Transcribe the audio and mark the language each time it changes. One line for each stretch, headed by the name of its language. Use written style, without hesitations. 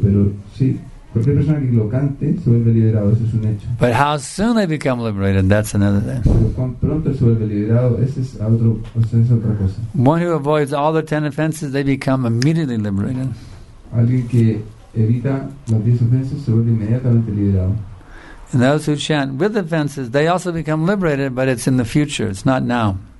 Spanish: Pero sí, cualquier persona que lo cante se vuelve liberado. Eso es un hecho.
English: But how soon they become liberated? That's another thing.
Spanish: Pero cuán pronto se vuelve liberado, ese es otro, o sea, es otra cosa.
English: One who avoids all the 10 offenses, they become immediately liberated.
Spanish: Alguien que evita las 10 ofensas se vuelve inmediatamente liberado.
English: And those who chant with offenses, they also become liberated, but it's in the future, it's not now.